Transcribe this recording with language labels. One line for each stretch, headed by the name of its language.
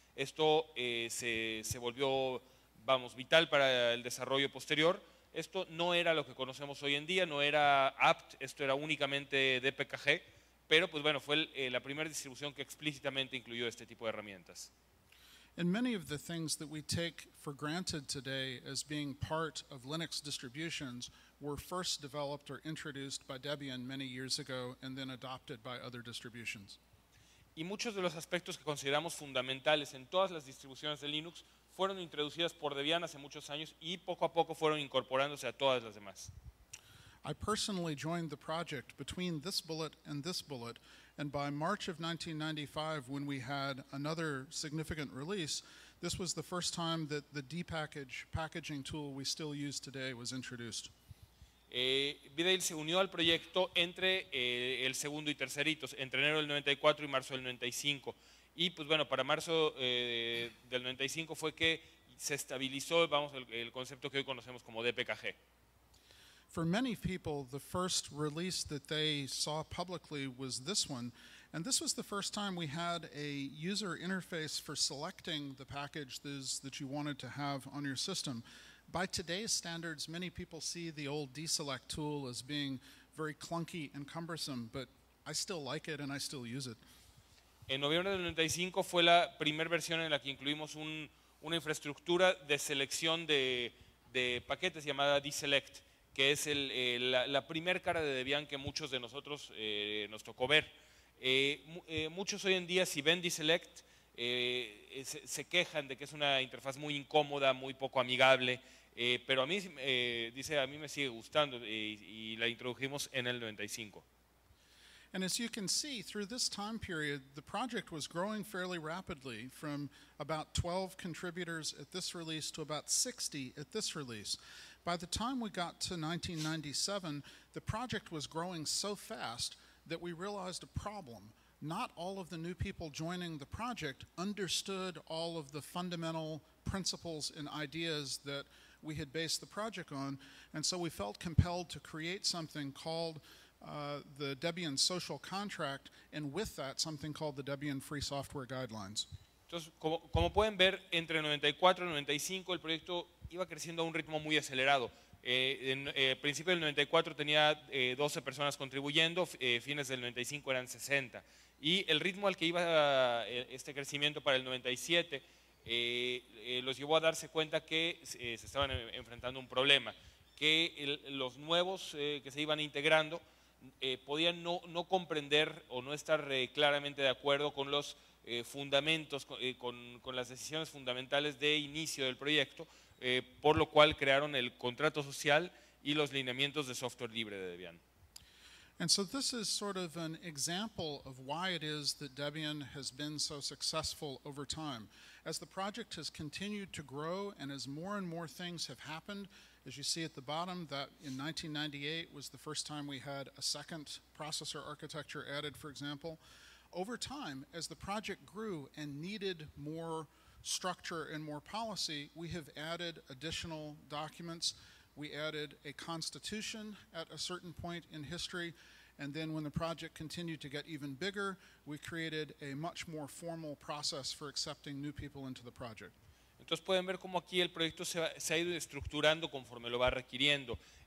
Spanish: Esto se volvió, vamos, vital para el desarrollo posterior, Esto no era lo que conocemos hoy en día, no era APT, esto era únicamente DPKG, pero pues bueno, fue la primera distribución que explícitamente incluyó este tipo de herramientas.
English: And many of the things that we take for granted today as being part of Linux distributions were first developed or introduced by Debian many years ago and then adopted by other distributions.
Spanish: Y muchos de los aspectos que consideramos fundamentales en todas las distribuciones de Linux fueron introducidas por Debian hace muchos años y poco a poco fueron incorporándose a todas las demás.
English: I personally joined the project between this bullet and this bullet, and by March of 1995, when we had another significant release, this was the first time that the dpkg packaging tool we still use today was introduced.
Spanish: Vidal se unió al proyecto entre el segundo y tercer hitos, entre enero del 94 y marzo del 95. Y pues bueno, para marzo del 95 fue que se estabilizó, vamos, el concepto que hoy conocemos como DPKG.
English: For many people, the first release that they saw publicly was this one. And this was the first time we had a user interface for selecting the package that you wanted to have on your system. By today's standards, many people see the old deselect tool as being very clunky and cumbersome, but I still like it and I still use it.
Spanish: En noviembre del 95 fue la primera versión en la que incluimos una infraestructura de selección de paquetes llamada deselect, que es la primer cara de Debian que muchos de nosotros nos tocó ver. Muchos hoy en día, si ven deselect, se quejan de que es una interfaz muy incómoda, muy poco amigable, pero a mí, dice, a mí me sigue gustando y la introdujimos en el 95.
English: And as you can see, through this time period, the project was growing fairly rapidly from about 12 contributors at this release to about 60 at this release. By the time we got to 1997, the project was growing so fast that we realized a problem. Not all of the new people joining the project understood all of the fundamental principles and ideas that we had based the project on, and so we felt compelled to create something called the Debian Social Contract, and with that, something called the Debian Free Software Guidelines.
Spanish: Entonces, como pueden ver, entre 94 y 95 el proyecto iba creciendo a un ritmo muy acelerado. En principio del 94 tenía 12 personas contribuyendo, fines del 95 eran 60. Y el ritmo al que iba este crecimiento para el 97 los llevó a darse cuenta que se estaban enfrentando un problema, que los nuevos que se iban integrando podían no comprender o no estar claramente de acuerdo con los fundamentos, con las decisiones fundamentales de inicio del proyecto, por lo cual crearon el contrato social y los lineamientos de software libre de Debian.
English: And so this is sort of an example of why it is that Debian has been so successful over time. As the project has continued to grow and as more and more things have happened, as you see at the bottom, that in 1998 was the first time we had a second processor architecture added, for example. Over time, as the project grew and needed more structure and more policy, we have added additional documents. We added a constitution at a certain point in history, and then when the project continued to get even bigger, we created a much more formal process for accepting new people into the project.
Spanish: Entonces pueden ver cómo aquí el proyecto se ha ido estructurando conforme lo va requiriendo.